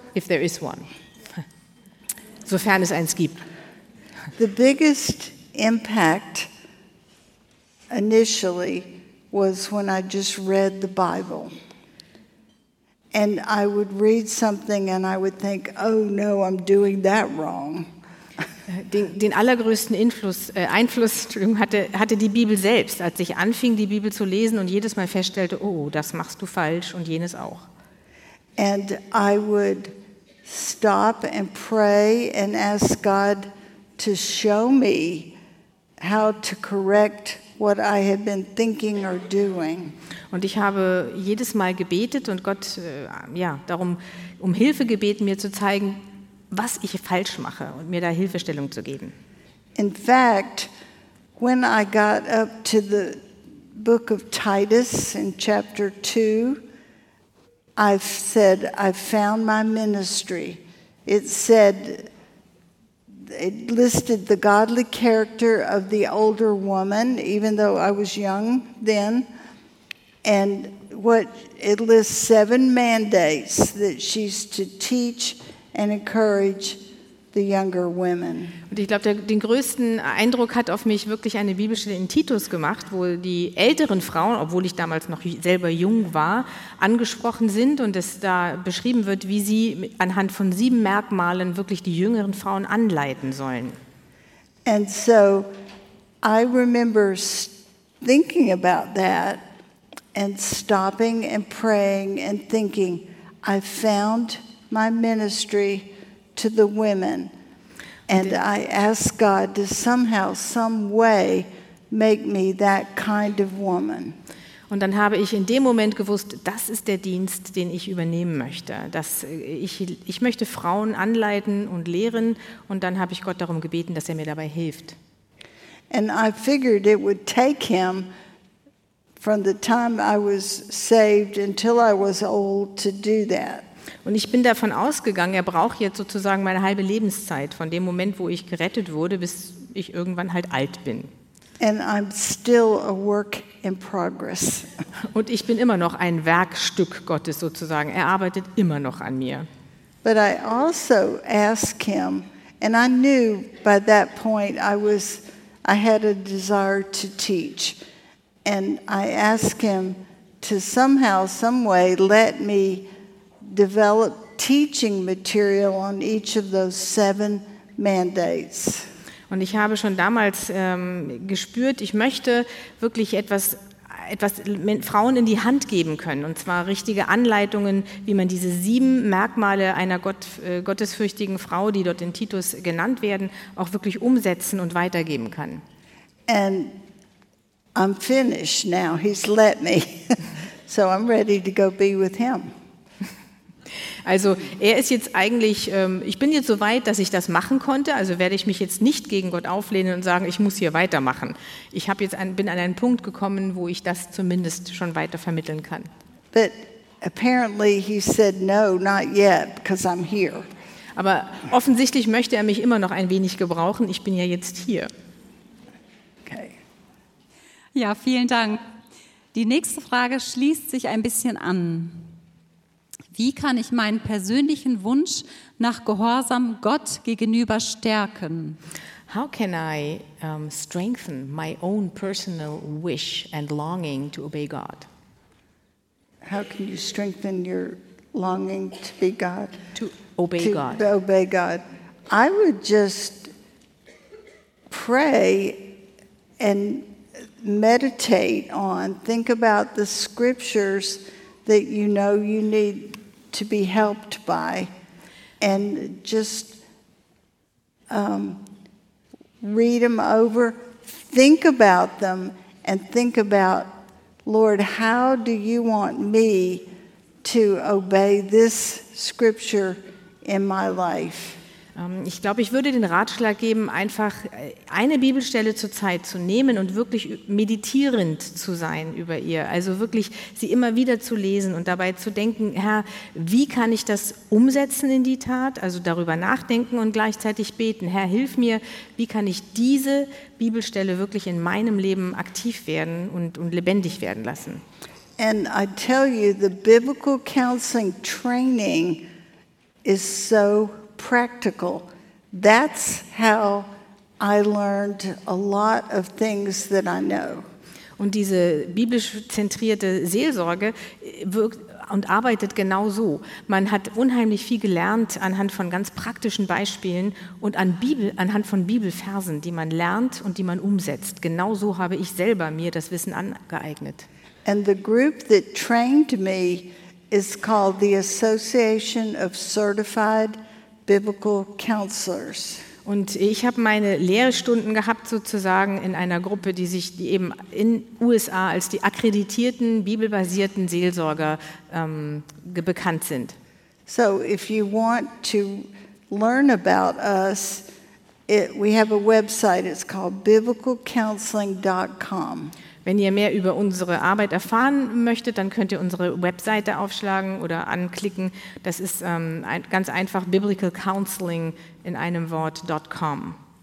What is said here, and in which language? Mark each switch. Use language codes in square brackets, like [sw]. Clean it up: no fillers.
[en] if there is one, [de] sofern es eins gibt. [en] The biggest impact initially was when I just read the Bible. And I would read something and I would think, oh no, I'm doing that wrong. [de] Den allergrößten Einfluss hatte die Bibel selbst, als ich anfing, die Bibel zu lesen und jedes Mal feststellte, oh, das machst du falsch und jenes auch. [en] And I would stop and pray and ask God to show me how to correct what I had been thinking or doing. [de] Und ich habe jedes Mal gebetet und Gott darum um Hilfe gebeten, mir zu zeigen, was ich falsch mache und mir da Hilfestellung zu geben. [en] In fact, when I got up to the book of Titus in chapter 2, I said, I found my ministry. It listed the godly character of the older woman, even though I was young then. And what it lists 7 mandates that she's to teach and encourage the younger women. [de] Und ich glaube, den größten Eindruck hat auf mich wirklich eine Bibelstelle in Titus gemacht, wo die älteren Frauen, obwohl ich damals noch selber jung war, angesprochen sind und es da beschrieben wird, wie sie anhand von 7 Merkmalen wirklich die jüngeren Frauen anleiten sollen. [en] And so I remember thinking about that and stopping and praying and thinking, I found my ministry to the women, and I ask God to somehow, some way, make me that kind of woman. [de] Und dann habe ich in dem Moment gewusst, das ist der Dienst, den ich übernehmen möchte. Dass ich möchte Frauen anleiten und lehren, und dann habe ich Gott darum gebeten, dass er mir dabei hilft. [en] And I figured it would take him from the time I was saved until I was old to do that. [de] Und ich bin davon ausgegangen, er braucht jetzt sozusagen meine halbe Lebenszeit, von dem Moment, wo ich gerettet wurde, bis ich irgendwann halt alt bin. [en] And I'm still a work in progress. [de] Und ich bin immer noch ein Werkstück Gottes sozusagen. Er arbeitet immer noch an mir. [en] But I also ask him, and I knew by that point I had a desire to teach, and I ask him to somehow, some way, let me develop teaching material on each of those 7 mandates. [de] Und ich habe schon damals gespürt, ich möchte wirklich etwas mit Frauen in die Hand geben können, und zwar richtige Anleitungen, wie man diese 7 Merkmale einer gottesfürchtigen Frau, die dort in Titus genannt werden, auch wirklich umsetzen und weitergeben kann. [en] And I'm finished now. He's let me. So I'm ready to go be with him. [de] Also er ist jetzt eigentlich, ich bin jetzt so weit, dass ich das machen konnte, also werde ich mich jetzt nicht gegen Gott auflehnen und sagen, ich muss hier weitermachen. Ich habe jetzt bin an einen Punkt gekommen, wo ich das zumindest schon weiter vermitteln kann. [en] But apparently he said no, not yet, because I'm here. [de] Aber offensichtlich möchte er mich immer noch ein wenig gebrauchen, ich bin ja jetzt hier. [en] Okay. [de] Ja, vielen Dank. Die nächste Frage schließt sich ein bisschen an. Wie kann ich meinen persönlichen Wunsch nach Gehorsam Gott gegenüber stärken? [en] How can I strengthen my own personal wish and longing to obey God? How can you strengthen your longing to be God? To obey God. To obey God. I would just pray and meditate on, think about the scriptures that you know you need to be helped by, and just read them over, think about them, and think about Lord, how do you want me to obey this scripture in my life? [de] Ich glaube, ich würde den Ratschlag geben, einfach eine Bibelstelle zur Zeit zu nehmen und wirklich meditierend zu sein über ihr. Also wirklich sie immer wieder zu lesen und dabei zu denken, Herr, wie kann ich das umsetzen in die Tat? Also darüber nachdenken und gleichzeitig beten. Herr, hilf mir, wie kann ich diese Bibelstelle wirklich in meinem Leben aktiv werden und lebendig werden lassen? [en] And I tell you, the biblical counseling training is so practical. That's how I learned a lot of things that I know. [de] Und diese biblisch zentrierte Seelsorge wirkt und arbeitet genau so. Man hat unheimlich viel gelernt anhand von ganz praktischen Beispielen und anhand von Bibelversen, die man lernt und die man umsetzt. Genau so habe ich selber mir das Wissen angeeignet. [en] And the group that trained me is called the Association of Certified Biblical Counselors. [de] Und ich habe meine Lehrstunden gehabt sozusagen in einer Gruppe, die sich die eben in USA als die akkreditierten bibelbasierten Seelsorger bekannt sind. [en] So if you want to learn about us, we have a website, it's called biblicalcounseling.com. [de] Wenn ihr mehr über unsere Arbeit erfahren möchtet, dann könnt ihr unsere Webseite aufschlagen oder anklicken. Das ist ganz einfach Biblical Counseling in einem Wort.com.